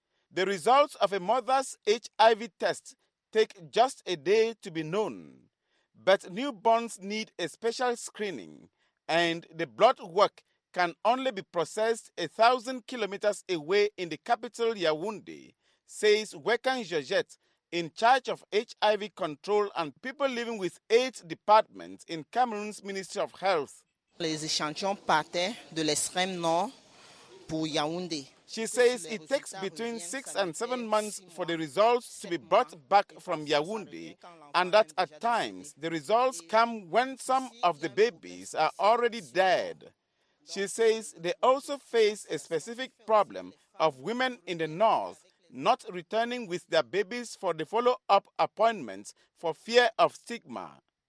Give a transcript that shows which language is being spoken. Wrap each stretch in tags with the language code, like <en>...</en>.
<en>The results of a mother's HIV test take just a day to be known, but newborns need a special screening, and the blood work can only be processed 1,000 kilometers away in the capital Yaoundé, says Wekan Georgette, in charge of HIV control and people living with AIDS department in Cameroon's Ministry of Health.</en> <fr>Les échantillons partaient de l'extrême nord pour Yaoundé.</fr> <en>She says it takes between 6 and 7 months for the results to be brought back from Yaoundé, and that at times the results come when some of the babies are already dead. She says they also face a specific problem of women in the north not returning with their babies for the follow-up appointments for fear of stigma.</en>